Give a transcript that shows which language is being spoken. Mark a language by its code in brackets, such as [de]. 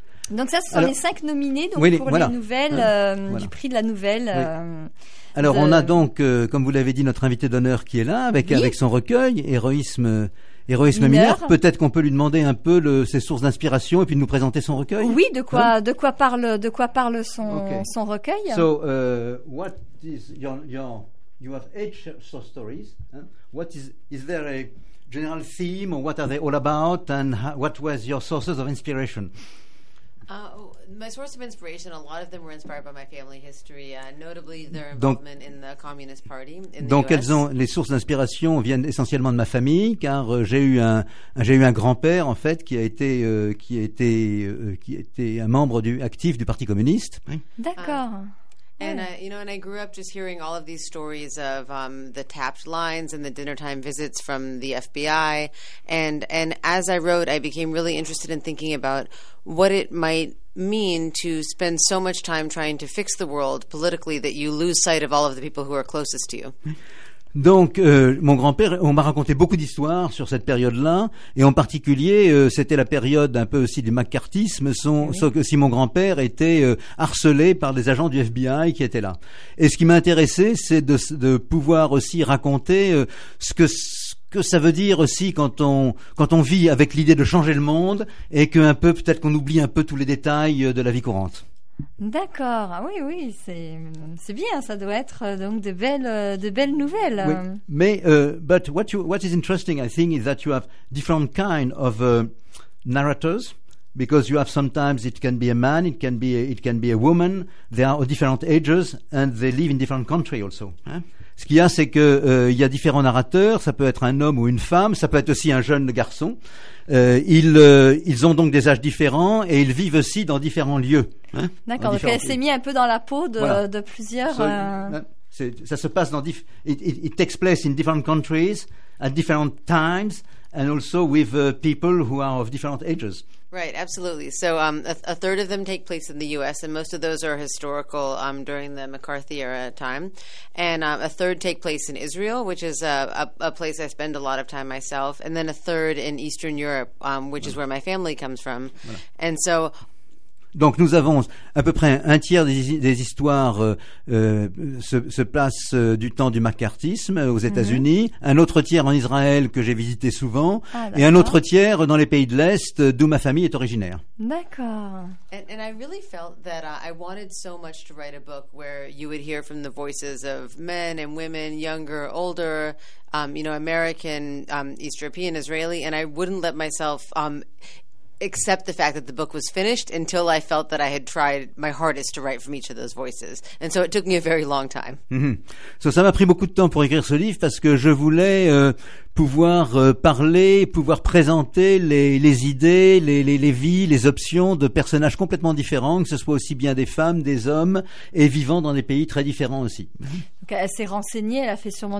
[fr] Donc, ça, ce sont les cinq nominés donc, les nouvelles, du prix de la nouvelle. Alors, on a donc, comme vous l'avez dit, notre invité d'honneur qui est là, avec son recueil, Héroïsme mineur. Peut-être qu'on peut lui demander un peu ses sources d'inspiration et puis de nous présenter son recueil. Oui, de quoi parle son recueil. [en] So, what is you have eight short stories. Huh? What is there a general theme or what are they all about and what was your sources of inspiration? My source of inspiration, a lot of them were inspired by my family history, notably their involvement in the Communist Party in the US. [fr] Donc, les sources d'inspiration viennent essentiellement de ma famille, car j'ai eu un grand-père, en fait, qui a été un membre actif du Parti communiste. Oui. D'accord. [en] And I grew up just hearing all of these stories of the tapped lines and the dinnertime visits from the FBI. And as I wrote, I became really interested in thinking about what it might mean to spend so much time trying to fix the world politically that you lose sight of all of the people who are closest to you. [fr] Donc, mon grand-père, on m'a raconté beaucoup d'histoires sur cette période-là, et en particulier, c'était la période un peu aussi du McCarthyisme, si mon grand-père était harcelé par des agents du FBI qui étaient là. Et ce qui m'intéressait, c'est de pouvoir aussi raconter ce que ça veut dire aussi quand on vit avec l'idée de changer le monde, et qu'un peu, peut-être qu'on oublie un peu tous les détails de la vie courante. D'accord, oui, c'est bien, ça doit être donc de belles nouvelles. Oui. [en] Mais what is interesting, I think, is that you have different kind of narrators, because you have sometimes it can be a man, it can be a woman. They are of different ages and they live in different country also. [fr] Hein? Ce qu'il y a, c'est que il y a différents narrateurs. Ça peut être un homme ou une femme, ça peut être aussi un jeune garçon. Ils ont donc des âges différents et ils vivent aussi dans différents lieux. Hein, d'accord, donc elle s'est mise un peu dans la peau de plusieurs. Ça se passe dans [en] it takes place in different countries at different times and also with people who are of different ages. Right, absolutely. So a third of them take place in the U.S., and most of those are historical during the McCarthy era time. And a third take place in Israel, which is a place I spend a lot of time myself. And then a third in Eastern Europe, which is where my family comes from. Voilà. And so... [fr] Donc nous avons à peu près un tiers des histoires se place du temps du McCarthyisme aux États-Unis, un autre tiers en Israël que j'ai visité souvent, et un autre tiers dans les pays de l'Est d'où ma famille est originaire. D'accord. [en] And I really felt that I wanted so much to write a book where you would hear from the voices of men and women, younger, older, American, East European, Israeli, and I wouldn't let myself except the fact that the book was finished until I felt that I had tried my hardest to write from each of those voices. And so it took me a very long time. Mm-hmm. [fr] So ça m'a pris beaucoup de temps pour écrire ce livre parce que je voulais pouvoir parler, pouvoir présenter les idées, les vies, les options de personnages complètement différents, que ce soit aussi bien des femmes, des hommes, et vivant dans des pays très différents aussi. Donc elle s'est renseignée, elle a fait sûrement